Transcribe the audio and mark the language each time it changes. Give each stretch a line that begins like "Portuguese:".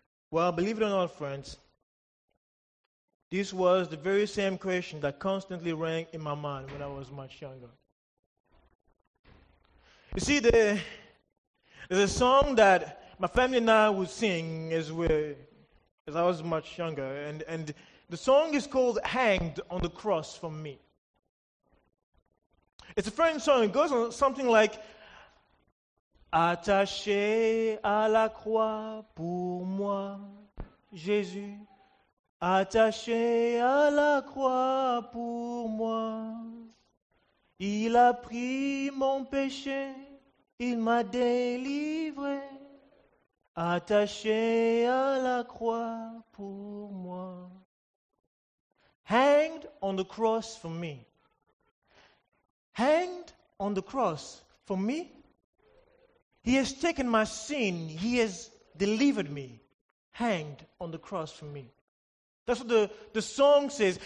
English: Well, believe it or not, friends, this was the very same question that constantly rang in my mind when I was much younger. You see, there's a song that my family and I would sing as I was much younger, and the song is called "Hanged on the Cross for Me." It's a French song. It goes on something like,
French: "Attaché à la croix pour moi, Jésus. Attaché à la croix pour moi. Il a pris mon péché, il m'a délivré. attaché à la croix pour moi.
English: Hanged on the cross for me. Hanged on the cross for me. He has taken my sin. He has delivered me. Hanged on the cross for me. That's what the song says.